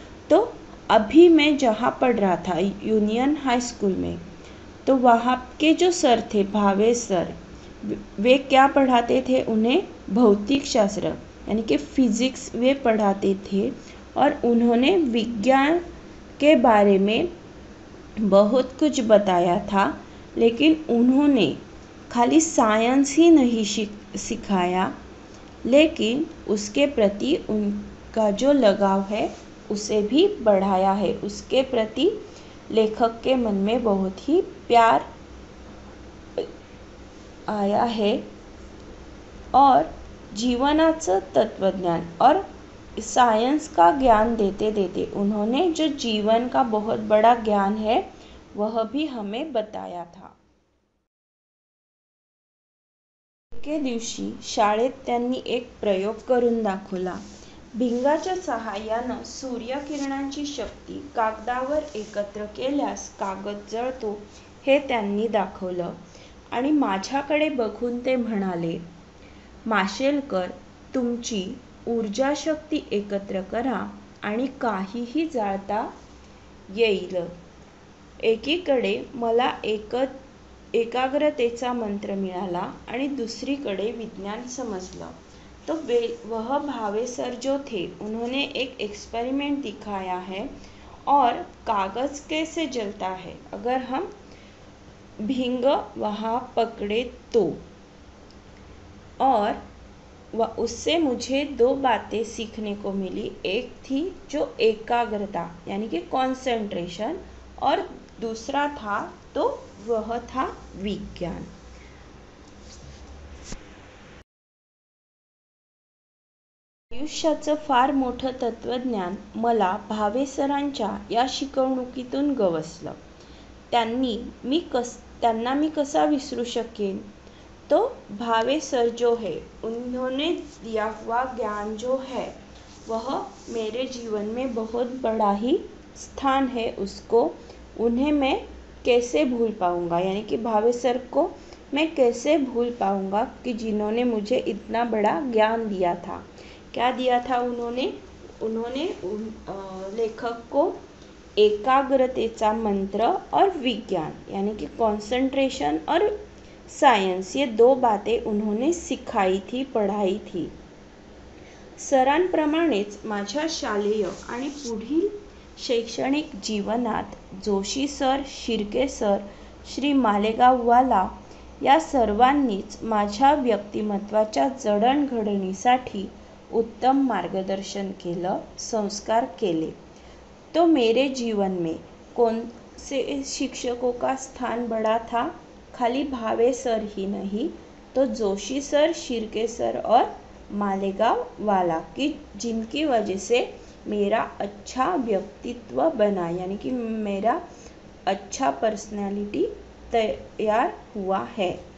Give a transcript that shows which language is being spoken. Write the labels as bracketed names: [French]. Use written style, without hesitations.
[Hindi] तो अभी मैं जहाँ पढ़ रहा था यूनियन हाईस्कूल में, तो वहाँ के जो सर थे भावे सर, वे क्या पढ़ाते थे, उन्हें भौतिक शास्त्र यानी कि फिजिक्स वे पढ़ाते थे, और उन्होंने विज्ञान के बारे में बहुत कुछ बताया था लेकिन उन्होंने खाली साइंस ही नहीं सिखाया, लेकिन उसके प्रति उनका जो लगाव है उसे भी बढ़ाया है। उसके प्रति लेखक के मन में बहुत ही प्यार आया है। और [Marathi] जीवनाचं तत्वज्ञान [Hindi] और साइंस का ज्ञान देते देते उन्होंने जो जीवन का बहुत बड़ा ज्ञान है वह भी हमें बताया था। [Marathi] एके दिवशी शाळेत त्यांनी एक प्रयोग करून दाखवला। भिंगाच्या सहाय्यानं सूर्यकिरणांची शक्ती कागदावर एकत्र केल्यास कागद जळतो हे त्यांनी दाखवलं आणि माझ्याकडे बघून ते म्हणाले, माशेलकर, तुमची ऊर्जा शक्ती एकत्र करा आणि काहीही जाळता येईल। एकीकडे मला एकाग्रतेचा मंत्र मिळाला आणि दुसरीकडे विज्ञान समजलं। [Hindi] तो वह भावे सर जो थे उन्होंने एक एक्सपेरिमेंट दिखाया है और कागज कैसे जलता है अगर हम भींग वहाँ पकड़े तो। और उससे मुझे दो बातें सीखने को मिली, एक थी जो एकाग्रता यानी कि कॉन्सेंट्रेशन और दूसरा था तो वह था विज्ञान। [Marathi] आयुष्याचं फार मोठं तत्वज्ञान मला भावे सरांच्या या शिकवणुकीतून गवसलं। त्यांना मी कसा विसरू शकेन। [Hindi] तो भावे सर जो है उन्होंने दिया हुआ ज्ञान जो है वह मेरे जीवन में बहुत बड़ा ही स्थान है। उसको उन्हें मैं कैसे भूल पाऊँगा, यानी कि भावे सर को मैं कैसे भूल पाऊँगा कि जिन्होंने मुझे इतना बड़ा ज्ञान दिया था। क्या दिया था उन्होंने? उन्होंने लेखक को [Marathi] एकाग्रतेचा मंत्र [Hindi] और विज्ञान यानी कि कॉन्सेंट्रेशन और साइंस ये दो बातें उन्होंने सिखाई थी, पढ़ाई थी। [Marathi] सरांप्रमाणेच माझ्या शालेय आणि पुढील शैक्षणिक जीवनात जोशी सर, शिर्के सर, श्री मालेगाववाला या सर्वांनीच माझ्या व्यक्तिमत्वाच्या जडणघडणीसाठी उत्तम मार्गदर्शन केलं, संस्कार केले। [Hindi] तो मेरे जीवन में कौन से शिक्षकों का स्थान बड़ा था? खाली भावे सर ही नहीं तो जोशी सर, शिर्के सर और मालेगाव वाला की, जिनकी वजह से मेरा अच्छा व्यक्तित्व बना यानी कि मेरा अच्छा पर्सनालिटी तैयार हुआ है।